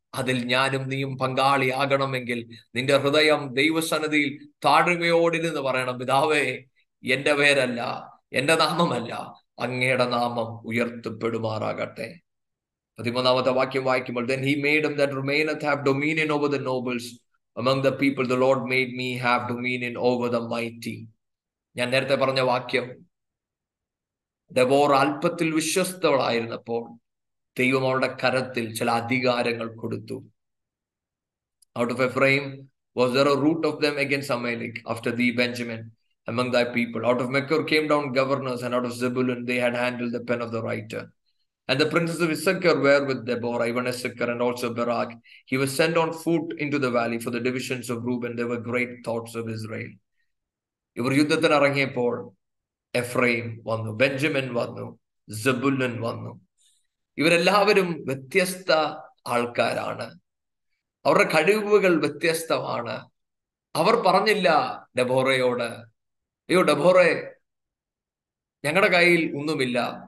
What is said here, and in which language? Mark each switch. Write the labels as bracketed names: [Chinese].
[Malayalam] അതിൽ ഞാനും നീയും പങ്കാളിയാകണമെങ്കിൽ നിന്റെ ഹൃദയം ദൈവസന്നിധിയിൽ താഴ്മയോടിരുന്ന് പറയണം, പിതാവേ, എൻ്റെ പേരല്ല, എൻ്റെ നാമമല്ല, അങ്ങയുടെ നാമം ഉയർത്തപ്പെടുമാറാകട്ടെ. 13-ാമത്തെ വാക്യം വായിക്കുമ്പോൾ, [English] Then he made him that remaineth have dominion over the nobles. Among the people, the Lord made me have dominion over the mighty. [Malayalam] ഞാൻ നേരത്തെ പറഞ്ഞ വാക്യം, ഡെബോറ അല്പത്തിൽ വിശ്വസ്തവളായിരുന്നപ്പോൾ ദൈവം അവളുടെ കരത്തിൽ ചില അധികാരങ്ങൾ കൊടുത്തു. [English] Out of Ephraim was there a root of them against Amalek, after thee Benjamin, among thy people. Out of Machir came down governors, and out of Zebulun they had handled the pen of the writer. And the princes of Issachar were with Deborah, even Issachar and also Barak. He was sent on foot into the valley for the divisions of Reuben. There were great thoughts of Israel. [Malayalam] ഇവർ യുദ്ധത്തിൽ ഇറങ്ങിയപ്പോൾ എഫ്രൈം വന്നു, Benjamin വന്നു, സെബുലുൻ വന്നു. ഇവരെല്ലാവരും വ്യത്യസ്ത ആൾക്കാരാണ്. അവരുടെ കഴിവുകൾ വ്യത്യസ്തമാണ്. അവർ പറഞ്ഞില്ല ഡെബോറയോട്, അയ്യോ ഡെബോറെ, ഞങ്ങളുടെ കയ്യിൽ ഒന്നുമില്ല.